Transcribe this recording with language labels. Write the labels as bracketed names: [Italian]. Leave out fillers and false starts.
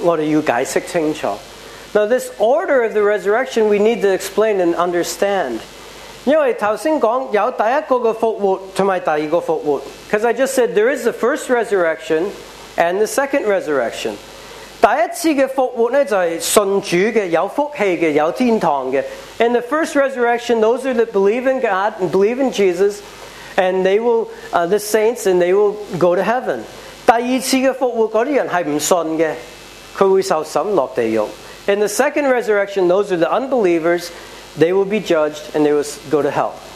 [Chinese] 那这个次序和复活我们要解释清楚。 [English] Now this order of the resurrection we need to explain and understand. [Chinese] 因为刚才说有第一个复活和第二个复活。 [English] Because I just said there is the first resurrection and the second resurrection. [Chinese] 第一次的复活就是信主的，有福气的，有天堂的。 [English] And the first resurrection, those are that believe in God and believe in Jesus, and they will, the saints, and they will go to heaven. [Chinese] 第二次的复活那些人是不信的，他会受审落地狱。 [English] In the second resurrection, those are the unbelievers, they will be judged, and they will go to hell.